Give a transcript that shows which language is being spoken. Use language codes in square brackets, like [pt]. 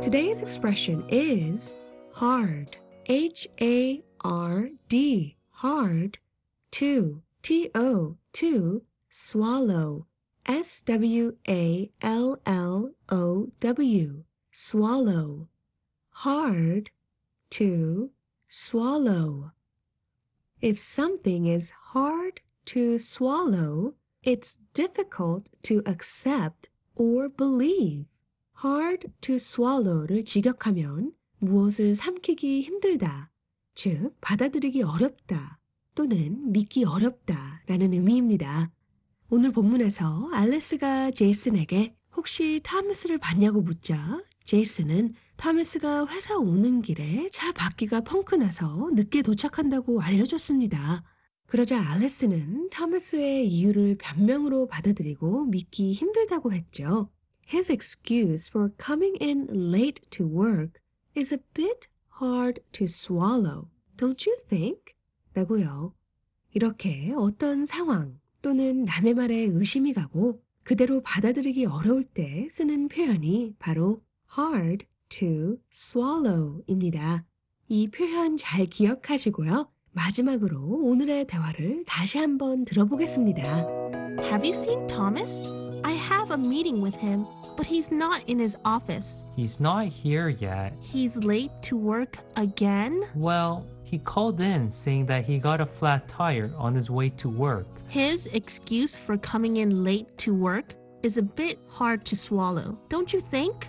[en] Today's expression is hard, H-A-R-D, hard, to, T-O, to, swallow, S-W-A-L-L-O-W, swallow, hard, to, swallow. If something is hard to swallow, it's difficult to accept or believe. [ko] Hard to swallow를 직역하면 무엇을 삼키기 힘들다, 즉 받아들이기 어렵다 또는 믿기 어렵다라는 의미입니다. 오늘 본문에서 알레스가 제이슨에게 혹시 토마스를 봤냐고 묻자 제이슨은 토마스가 회사 오는 길에 차 바퀴가 펑크나서 늦게 도착한다고 알려줬습니다. 그러자 알레스는 토마스의 이유를 변명으로 받아들이고 믿기 힘들다고 했죠. [en] His excuse for coming in late to work is a bit hard to swallow, don't you think? [ko] 라고요. 이렇게 어떤 상황 또는 남의 말에 의심이 가고 그대로 받아들이기 어려울 때 쓰는 표현이 바로 hard to swallow입니다. 이 표현 잘 기억하시고요. 마지막으로 오늘의 대화를 다시 한번 들어보겠습니다. [en] Have you seen Thomas? I have a meeting with him, but he's not in his office. He's not here yet. He's late to work again? Well, he called in saying that he got a flat tire on his way to work. His excuse for coming in late to work is a bit hard to swallow, don't you think?